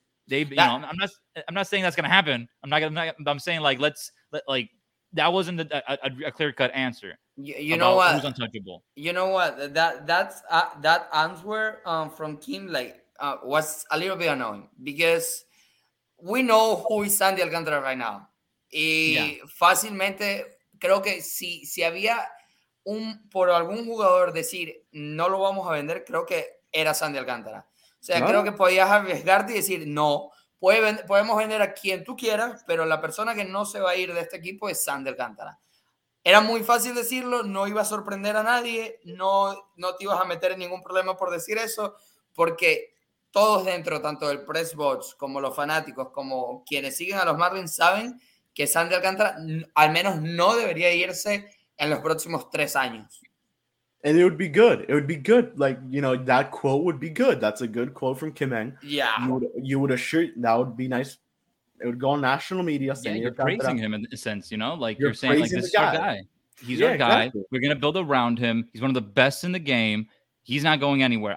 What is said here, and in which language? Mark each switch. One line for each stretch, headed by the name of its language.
English: I'm not saying that's gonna happen. I'm saying, like, that wasn't a clear-cut answer. You know what? Who's untouchable? You know what? That answer from Kim, like, was a little bit annoying, because we know who is Sandy Alcantara right now.
Spanish: Fácilmente, creo que si había por algún jugador decir no lo vamos a vender, creo que era Sandy Alcantara. O sea, creo que podías arriesgarte y decir no. Podemos vender a quien tú quieras, pero la persona que no se va a ir de este equipo es Sandy Alcantara. Era muy fácil decirlo, no iba a sorprender a nadie, no te ibas a meter en ningún problema por decir eso, porque todos dentro, tanto el press box como los fanáticos, como quienes siguen a los Marlins, saben que Sandy Alcantara al menos no debería irse en los próximos 3 años.
English: And it would be good. It would be good. Like, you know, that quote would be good. That's a good quote from Kim Eng. Yeah. You would assure, that would be nice. It would go on national media. Yeah, you're praising him in a sense, you know? Like, you're saying, like, this is our guy. He's our guy. Exactly. We're going to build around him. He's one of the best in the game. He's not going anywhere.